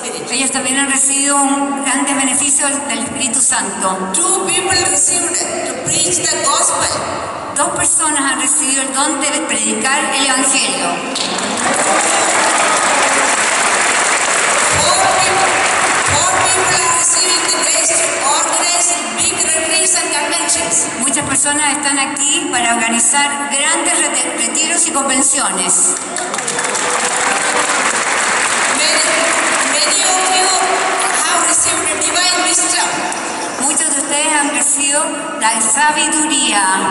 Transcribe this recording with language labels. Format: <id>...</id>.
<es>Ellos también han recibido un gran beneficio del Espíritu Santo.</es> <en>Two people received to preach the gospel.</en> <es>Dos personas han recibido el don de predicar el Evangelio.</es> <en>Four people are receiving the grace to organize big retreats and conventions.</en> <es>Muchas personas están aquí para organizar grandes retiros y convenciones.</es> <en>Many of you have received divine wisdom.</en> <es>Muchos de ustedes han recibido la sabiduría.</es>